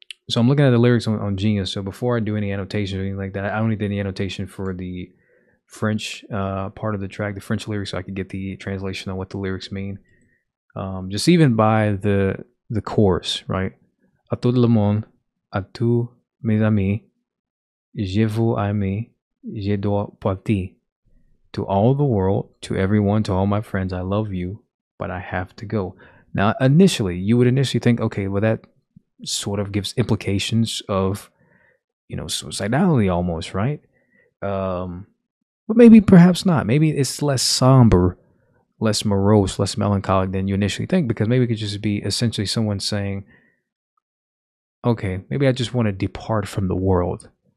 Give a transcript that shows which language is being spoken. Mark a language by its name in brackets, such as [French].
[English] So I'm looking at the lyrics on Genius. So before I do any annotations or anything like that, I only did any annotation for the French part of the track, the French lyrics, so I could get the translation on what the lyrics mean. Just even by the chorus, right? [French] A tout le monde, à tous mes amis, je vous aime. Je dois partir. [English] To all the world, to everyone, to all my friends, I love you, but I have to go. Now, initially, you would initially think, okay, well, that sort of gives implications of, you know, suicidality almost, right? But maybe perhaps not. Maybe it's less somber, less morose, less melancholic than you initially think, because maybe it could just be essentially someone saying, okay, maybe I just want to depart from the world.